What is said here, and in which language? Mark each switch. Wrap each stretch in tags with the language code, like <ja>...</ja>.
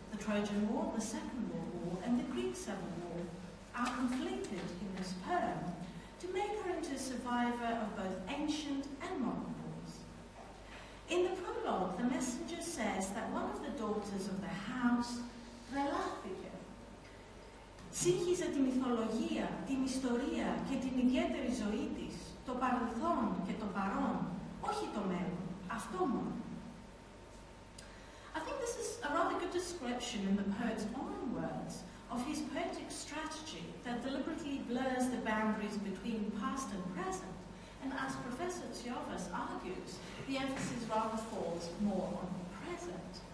<en>The Trojan War, the Second World War, and the Greek Civil War are completed in this poem to make her into a survivor of both ancient and modern wars. In the prologue, the messenger says that one of the daughters of the house,</en> <el>τρελάθηκε. Σύγχυσε τη μυθολογία, την ιστορία και την ιδιαίτερη ζωή της, το παρελθόν και το παρόν. Όχι το μέλλον, αυτό μόνο.</el> <en>I think this is a rather good description in the poet's own words of his poetic strategy that deliberately blurs the boundaries between past and present. And as Professor Tsiovas argues, the emphasis rather falls more on the present.</en>